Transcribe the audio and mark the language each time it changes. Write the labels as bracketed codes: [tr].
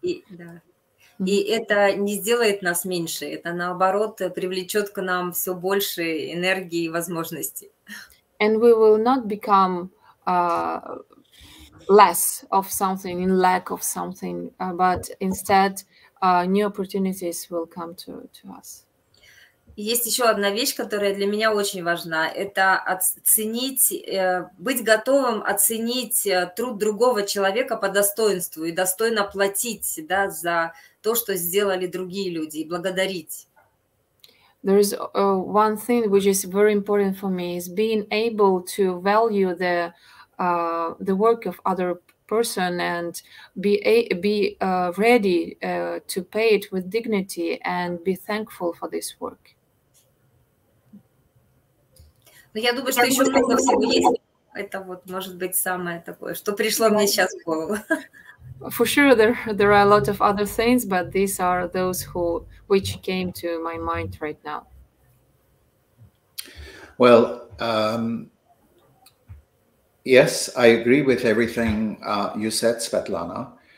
[ru] И, да. И это не сделает нас меньше, это наоборот привлечет к нам все больше энергии и возможностей. [en] And we will not become less of something, in lack of something, but instead new opportunities will come to us. [ru] Есть еще одна вещь, которая для меня очень важна. Это оценить, быть готовым оценить труд другого человека по достоинству и достойно платить, да, за то, что сделали другие люди, и благодарить. [en] There is one thing which is very important for me is being able to value the work of other person and be ready to pay it with dignity and be thankful for this work. [ru] Ну, я думаю, что еще много всего есть. Это вот, может быть, самое такое, что пришло мне сейчас в голову. [en] For sure, there are a lot of other things, but these are those which came to my mind right now. Well, yes, I agree with everything you said, Svetlana.